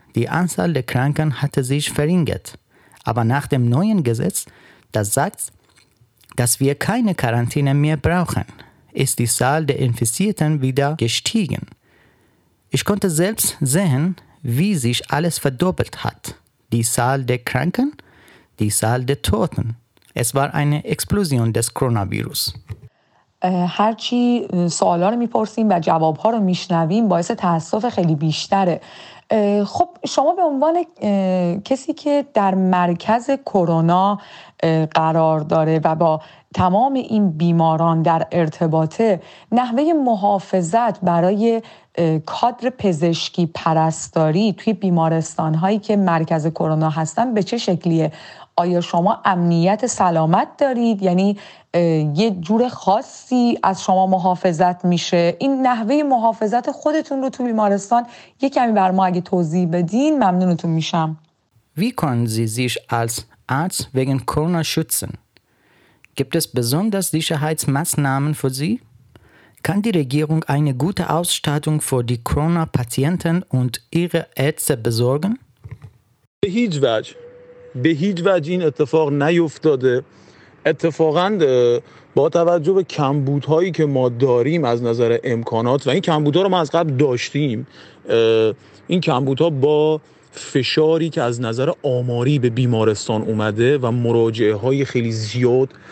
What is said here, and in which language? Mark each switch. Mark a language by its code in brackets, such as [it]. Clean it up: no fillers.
[de] Die Anzahl der Kranken hatte sich verringert. Aber nach dem neuen Gesetz, das sagt, dass wir keine Quarantäne mehr brauchen, ist die Zahl der Infizierten wieder gestiegen. Ich konnte selbst sehen, wie sich alles verdoppelt hat. Die Zahl der Kranken, die Zahl der Toten. Es war eine Explosion des Coronavirus. [fa] هرچی سوالا رو میپرسیم و جوابها رو میشنویم باعث تأسف خیلی بیشتره. خب شما به عنوان کسی که در مرکز کرونا قرار داره و با تمام این بیماران در ارتباطه، نحوه محافظت برای کادر پزشکی پرستاری توی بیمارستان هایی که مرکز کرونا هستن به چه شکلیه؟ آیا شما امنیت سلامت دارید؟ یعنی یه جور خاصی از شما محافظت میشه؟ این نحوه محافظت خودتون رو تو بیمارستان یه کمی بر ما اگه توضیح بدین ممنونتون میشم. [de] Wie können Sie sich als Arzt wegen Corona schützen? Gibt es besonders Sicherheitsmaßnahmen für Sie? Kann die Regierung eine gute Ausstattung für die Corona-Patienten und ihre Ärzte besorgen? [fa] به هیچ وجه این اتفاق نیفتاده. اتفاقا با توجه به کمبودهایی که ما داریم از نظر امکانات، و این کمبودها رو ما از قبل داشتیم، این کمبودها با فشاری که از نظر آماری به بیمارستان اومده و مراجعه های خیلی زیاد